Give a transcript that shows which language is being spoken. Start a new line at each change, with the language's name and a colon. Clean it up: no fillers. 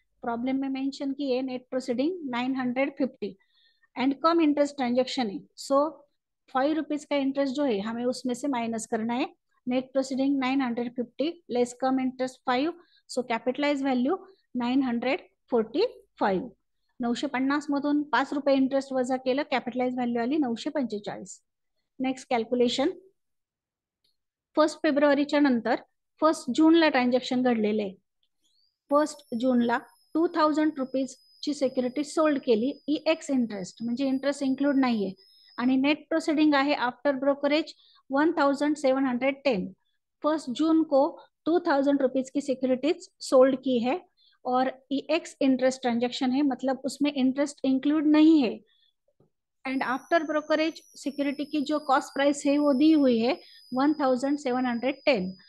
Hindi: Problem में mention की है net proceeding 950 and come interest transaction है। सो 5 रुपीज का इंटरेस्ट जो है हमें उसमें से माइनस करना है।
English: Net proceeding 950 less कम interest 5, so capitalize value 945।
Marathi: 950 मधून 5 रुपये इंटरेस्ट वजा केलं, कॅपिटलाइज व्हॅल्यू आली 945। नेक्स्ट कॅल्क्युलेशन 1 फेब्रुवारीच्या नंतर 1 जूनला ट्रान्झॅक्शन घडलेले आहे। 1 जूनला 2000 रुपीज ची सिक्युरिटी सोल्ड केली ई एक्स इंटरेस्ट, म्हणजे इंटरेस्ट इन्क्लूड नाहीये, आणि नेट प्रोसिडिंग आहे आफ्टर ब्रोकरेज 1710।
Hindi: 1 जून को 2000 रुपीज की सिक्युरिटीज सोल्ड की है और ई एक्स इंटरेस्ट ट्रांजेक्शन है, मतलब उसमें इंटरेस्ट इंक्लूड नहीं है। एंड आफ्टर ब्रोकरेज सिक्योरिटी की जो कॉस्ट प्राइस है वो दी हुई है 1710।